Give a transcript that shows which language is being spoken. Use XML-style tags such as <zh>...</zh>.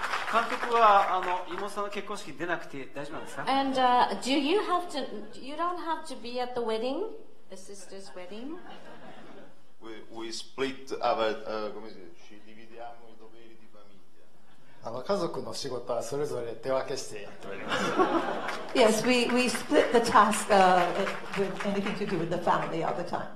<ja>監督は妹さんの結婚式出なくて大丈夫なんですか？</ja> <en>And do you have to? You don't have to be at the wedding, the sister's wedding. We split our</en> <it>ci dividiamo i doveri di famiglia.</it> <ja>家族の仕事はそれぞれ手分けしてやっております。</ja> <en>Yes, we split the task with anything to do with the family all the time.</en>